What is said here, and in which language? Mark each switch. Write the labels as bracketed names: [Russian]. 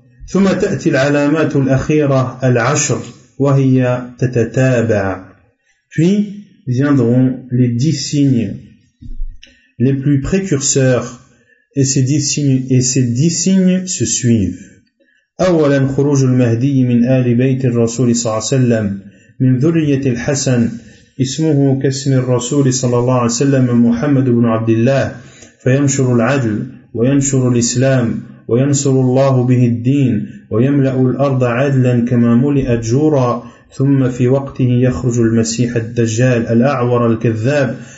[Arabic] ثم تأتي العلامات الأخيرة العشر وهي تتتابع. [French] Puis viendront les 10 signes les plus précurseurs et ces dix signes se suivent. [Arabic] أولا خروج المهدي من آل بيت الرسول صلى الله عليه وسلم من ذرية الحسن اسمه كاسم الرسول صلى الله عليه وسلم محمد بن عبد الله فينشر العدل وينشر الإسلام وينصر الله به الدين ويملأ الأرض عدلا كما ملئت جورا ثم في وقته يخرج المسيح الدجال الأعور الكذاب